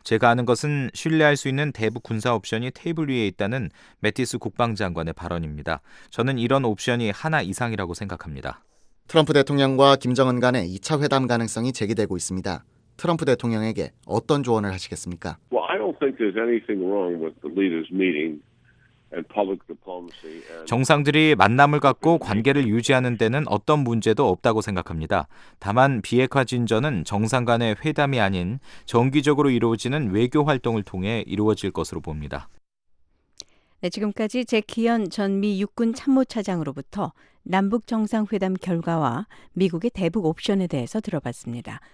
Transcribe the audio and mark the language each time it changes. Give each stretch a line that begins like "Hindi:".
Korean: 제가 아는 것은 신뢰할 수 있는 대북 군사 옵션이 테이블 위에 있다는 매티스 국방장관의 발언입니다. 저는 이런 옵션이 하나 이상이라고 생각합니다. 트럼프 대통령과 김정은 간의 2차 회담 가능성이 제기되고 있습니다. 트럼프 대통령에게 어떤 조언을 하시겠습니까?
English: Well, I don't think there's anything wrong with the leaders meeting and public diplomacy.
Korean: 정상들이 만남을 갖고 관계를 유지하는 데는 어떤 문제도 없다고 생각합니다. 다만 비핵화 진전은 정상 간의 회담이 아닌 정기적으로 이루어지는 외교 활동을 통해 이루어질 것으로 봅니다. 네, 지금까지 제키현 전 미 육군 참모차장으로부터 남북 정상회담 결과와 미국의 대북 옵션에 대해서 들어봤습니다.